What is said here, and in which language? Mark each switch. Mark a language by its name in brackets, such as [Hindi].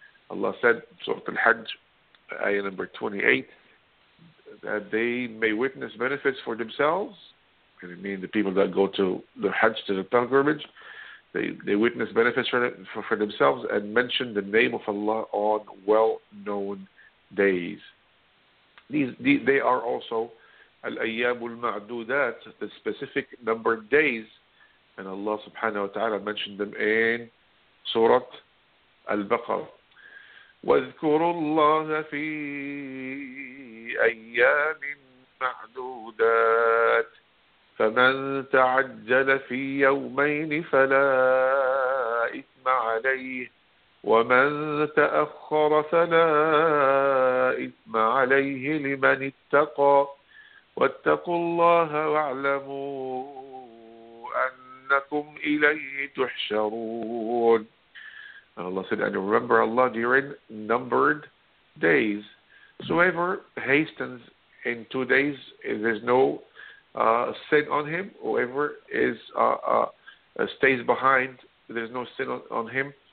[English] Allah said, Surah Al-Hajj, ayah number 28, that they may witness benefits for themselves, and I mean the people that go to the Hajj, to the pilgrimage, they witness benefits for themselves, and mention the name of Allah on well-known days. They are also al-ayyamul ma'dudat, the specific numbered days, and Allah subhanahu wa ta'ala mentioned them in Surah Al-Baqarah. [Arabic] واذكروا الله في أيام معدودات فمن تعجل في يومين فلا إثم عليه ومن تأخر فلا إثم عليه لمن اتقى واتقوا الله واعلموا أنكم إليه تحشرون. [English] And Allah said, and remember Allah during numbered days. So whoever hastens in 2 days, there's no sin on him. Whoever is stays behind, there's no sin on him.